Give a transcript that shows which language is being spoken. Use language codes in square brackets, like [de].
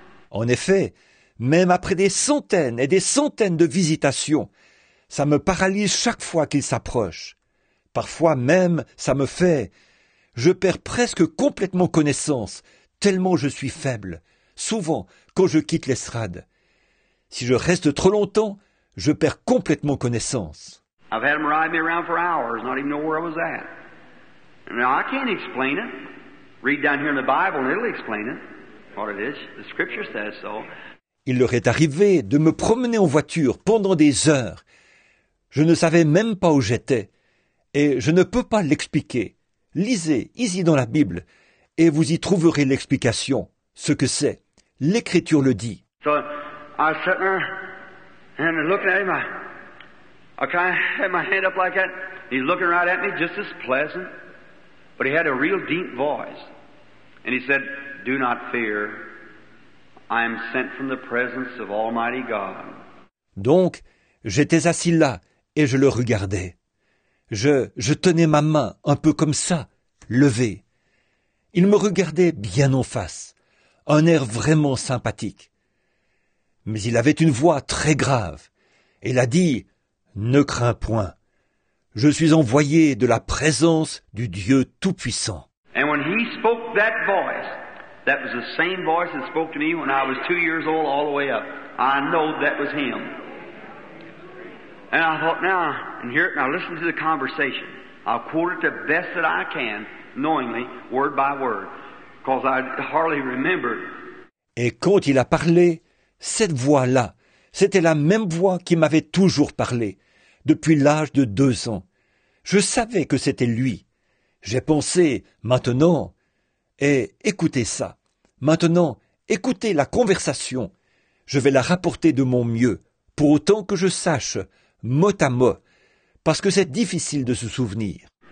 [fr] En effet, même après des centaines et des centaines de visitations, ça me paralyse chaque fois qu'il s'approche. Parfois même, ça me fait... Je perds presque complètement connaissance, tellement je suis faible, souvent quand je quitte l'estrade. Si je reste trop longtemps, je perds complètement connaissance. [en] I've had him ride me around for hours, not even know where I was at. Now, I can't explain it. Read down here in the Bible and it'll explain it. What it is, the scripture says so. [fr] Il leur est arrivé de me promener en voiture pendant des heures. Je ne savais même pas où j'étais et je ne peux pas l'expliquer. Lisez ici dans la Bible et vous y trouverez l'explication, ce que c'est. L'Écriture le dit. [en] So, I was sitting there and looking at him. I kind of had my hand up like that. He's looking right at me, just as pleasant. But he had a real deep voice. And he said, do not fear. I am sent from the presence of Almighty God. [fr] Donc, j'étais assis là et je le regardais. Je tenais ma main un peu comme ça, levée. Il me regardait bien en face, un air vraiment sympathique. Mais il avait une voix très grave. Il a dit, « Ne crains point, je suis envoyé de la présence du Dieu Tout-Puissant. » [en] And when he spoke that voice, that was the same voice that spoke to me when I was 2 years old all the way up. I know that was him. And I thought, now, and hear it, now listen to the conversation. I'll quote it the best that I can, knowingly, word by word, because I hardly remember. [fr] Et quand il a parlé, cette voix-là, c'était la même voix qui m'avait toujours parlé, depuis l'âge de 2 ans. Je savais que c'était lui. J'ai pensé, maintenant, et écoutez ça. Maintenant, écoutez la conversation. Je vais la rapporter de mon mieux, pour autant que je sache, mot à mot, parce que c'est difficile de se souvenir.